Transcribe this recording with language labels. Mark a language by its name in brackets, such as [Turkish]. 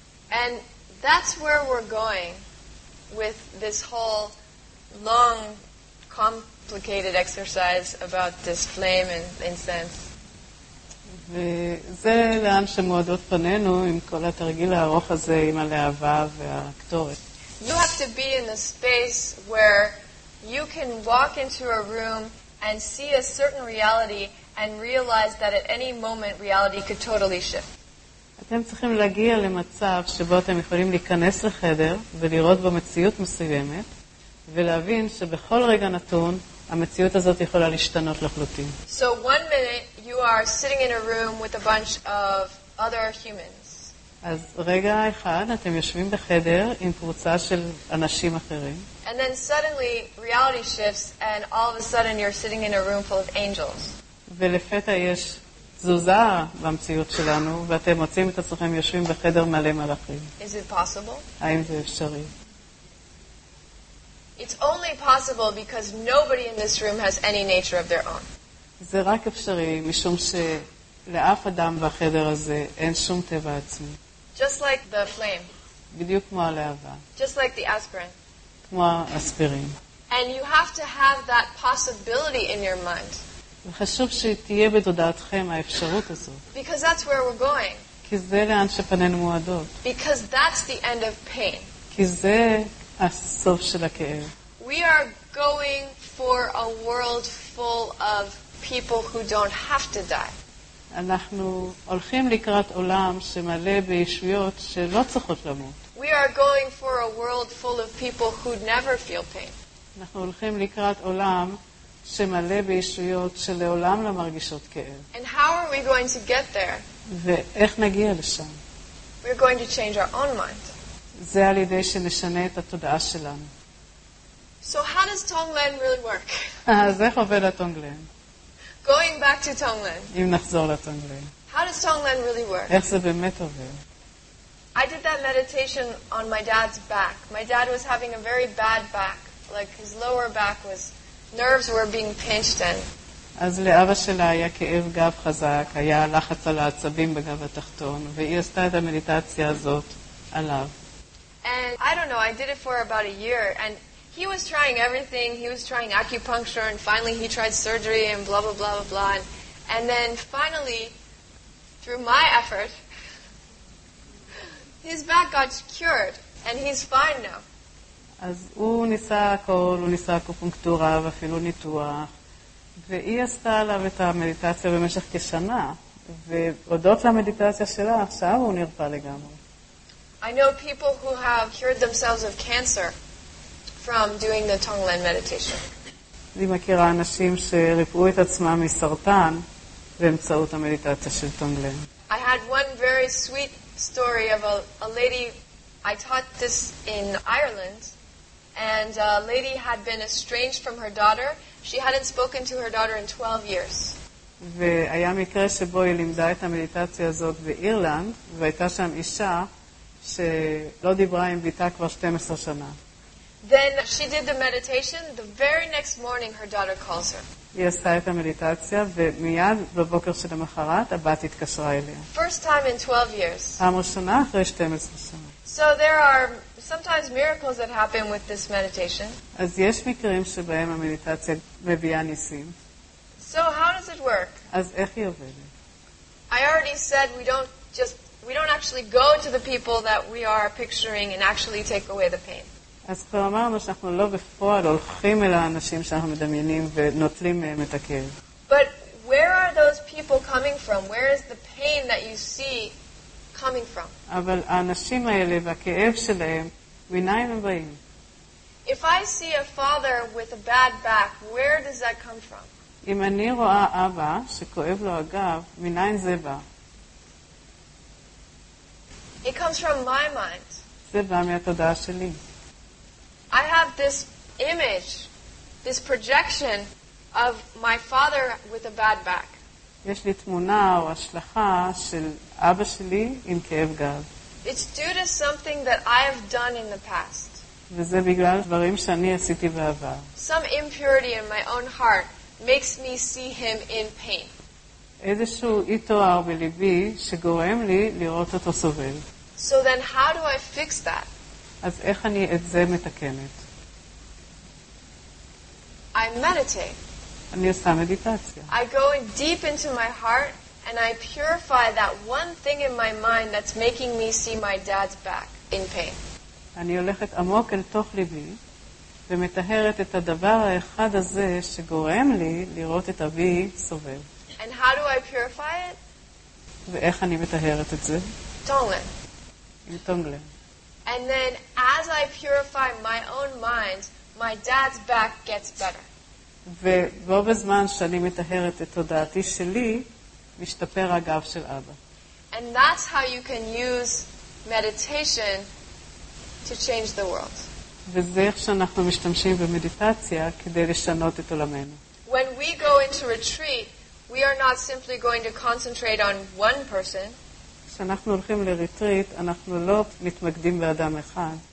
[English] And that's where we're going with this whole long complicated exercise about this flame and incense. [Hebrew] וזה לאן שמועדות פנינו עם כל התרגיל הארוך הזה עם הלהבה והקטורת. [English] You have to be in a space where you can walk into a room and see a certain reality and realize that at any moment reality could totally shift. [Hebrew] אתם צריכים להגיע למצב שבו אתם יכולים להיכנס לחדר ולראות בו מציאות מסוימת ולהבין שבכל רגע נתון המציאות הזאת יכולה להשתנות לחלוטין. [English] So one minute you are sitting in a room with a bunch of other humans. [Hebrew] אז רגע אחד אתם יושבים בחדר עם קבוצה של אנשים אחרים. [English] And then suddenly reality shifts and all of a sudden you're sitting in a room full of angels. [Hebrew] ולפתע יש זוזה במציאות שלנו ואתם מוצאים את עצמכם יושבים בחדר מלא מלאכים. [English] Is it possible? [Hebrew] האם זה אפשרי? [English] It's only possible because nobody in this room has any nature of their own. [Hebrew] זה רק אפשרי משום שלאף אדם בחדר הזה אין שום טבע עצמי. [English] Just like the flame. [Hebrew] בדיוק כמו הלהבה. [English] Just like the aspirin. [Hebrew] כמו אספירין. [English] And you have to have that possibility in your mind. [Hebrew] וחשוב שתהיה בתודעתכם האפשרות הזאת. [English] Because that's where we're going. [Hebrew] כי זה לאן שפנינו מועדות. [English] Because that's the end of pain. [Hebrew] כי זה הסוף של הכאב. [English] We are going for a world full of people who don't have to die. [Hebrew] אנחנו הולכים לקראת עולם שמלא בישויות שלא צריכות למות. [English] We are going for a world full of people who never feel pain. [Hebrew] אנחנו הולכים לקראת עולם שמלא בישויות שלעולם לא מרגישות כאב. [English] And how are we going to get there? [Hebrew] ואיך נגיע לשם? [English] We're going to change our own mind. [Hebrew] זה על ידי שנשנה את התודעה שלנו. [English] So how does Tonglen really work? [Hebrew] אז איך עובד התונגלן? [English] Going back to Tonglen. [Hebrew] אם נחזור לתונגלן. [English] How does Tonglen really work? [Hebrew] איך זה באמת עובד? [English] I did that meditation on my dad's back. My dad was having a very bad back. Like his lower back was, nerves were being pinched in. [Hebrew] אז לאבא שלה היה כאב גב חזק, היה לחץ על העצבים בגב התחתון, והיא עשתה את המדיטציה הזאת עליו. [English] And I don't know, I did it for about a year, and he was trying everything, he was trying acupuncture, and finally he tried surgery, and blah, blah, blah, blah, blah. And then finally, through my effort, his back got cured, and he's fine now. [Hebrew] אז הוא ניסה הכל, הוא ניסה אקופונקטורה ואפילו ניתוח, והיא עשתה עליו את המדיטציה במשך כשנה, והודות למדיטציה שלה, עכשיו הוא נרפא לגמרי. [English] I know people who have cured themselves of cancer from doing the Tonglen meditation. [Hebrew] אני מכירה אנשים שריפאו את עצמם מסרטן באמצעות המדיטציה של טונגלן. [English] I had one very sweet story of a lady, I taught this in Ireland, and a lady had been estranged from her daughter. She hadn't spoken to her daughter in 12 years. [Hebrew] והיה מקרה שבו היא לימדה את המדיטציה הזאת באירלנד, והייתה שם אישה שלא דיברה עם ביתה כבר 12 שנה. [English] Then she did the meditation. The very next morning her daughter calls her. [Hebrew] היא עשתה את המדיטציה, ומיד בבוקר של המחרת הבת התקשרה אליה. [English] First time in 12 years. [Hebrew] פעם ראשונה אחרי 12 שנה. [English] So there are sometimes miracles that happen with this meditation. [Hebrew] אז יש מקרים שבהם המדיטציה מביאה ניסים. [English] So how does it work? [Hebrew] אז איך היא עובדת? [English] I already said we don't actually go to the people that we are picturing and actually take away the pain. [Hebrew] אז כבר אמרנו שאנחנו לא בפועל הולכים אל האנשים שאנחנו מדמיינים ונוטלים מהם את הכאב. [English] But where are those people coming from? Where is the pain that you see coming from? [Hebrew] אבל האנשים האלה והכאב שלהם, מניין הם באים? [English] If I see a father with a bad back, where does that come from? [Hebrew] אם אני רואה אבא שכואב לו הגב, מניין זה בא? [English] It comes from my mind. [Hebrew] זה בא מהתודעה שלי. [English] I have this image, this projection of my father with a bad back. [Hebrew] יש לי תמונה או השלכה של אבא שלי עם כאב גב. [English] It's due to something that I have done in the past. [Hebrew] וזה בגלל דברים שאני עשיתי בעבר. [English] Some impurity in my own heart makes me see him in pain. [Hebrew] איזשהו אי-תואר בליבי שגורם לי לראות אותו סובל. [English] So then how do I fix that? [Hebrew] אז איך אני את זה מתקנת? [English] I meditate. [Hebrew] אני עושה מדיטציה. [English] I go deep into my heart and I purify that one thing in my mind that's making me see my dad's back in pain. [Hebrew] אני הולכת עמוק אל תוך ליבי ומתהרת את הדבר האחד הזה שגורם לי לראות את אבי סובל. [English] And how do I purify it? [Hebrew] ואיך אני מתהרת את זה? [English] Tonglen. [Hebrew] עם טונגלן. [English] And then as I purify my own mind, my dad's back gets better. [Hebrew] ובו בזמן שאני מתהרת את תודעתי שלי, משתפר הגב של אבא. [English] And that's how you can use meditation to change the world. [Hebrew] וזה איך שאנחנו משתמשים במדיטציה כדי לשנות את עולמנו. [English] When we go into retreat, we are not simply going to concentrate on one person. [Hebrew] אנחנו הולכים לריטריט, אנחנו לא מתמקדים באדם אחד.